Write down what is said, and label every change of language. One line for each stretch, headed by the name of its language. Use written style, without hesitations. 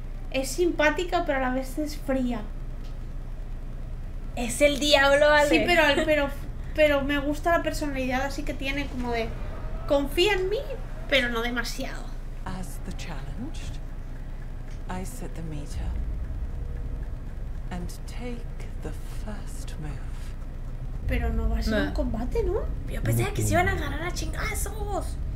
Spanish: Es simpática, pero a la vez es fría. Es el diablo, Ale. Sí, pero me gusta la personalidad así que tiene, como de... Confía en mí, pero no demasiado.
English: As the challenged, I set the meter and take the first move.
Spanish: Pero no va a ser un combate, ¿no? Yo pensé que se iban a ganar a chingazos.